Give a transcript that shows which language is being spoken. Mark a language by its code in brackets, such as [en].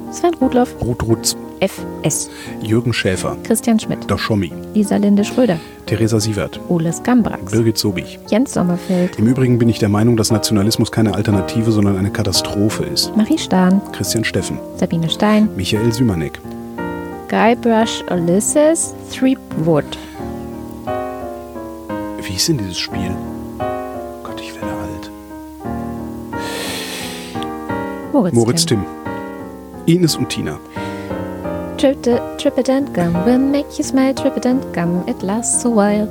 [de] Sven Rudloff. Ruth Rutz. F.S. Jürgen Schäfer. Christian Schmidt. Doschomi. Isalinde Schröder. Theresa Sievert. Ole Skambrax. Birgit Sobig. Jens Sommerfeld. Im Übrigen bin ich der Meinung, dass Nationalismus keine Alternative, sondern eine Katastrophe ist. Marie Stahn. Christian Steffen. Sabine Stein. Michael Sümanek. Guybrush Ulysses Threepwood. Wie ist denn dieses Spiel? Gott, ich werde alt. Moritz Tim. Ines und Tina. [en] Trippident Gum will make you smile. Trippident Gum, it lasts a while.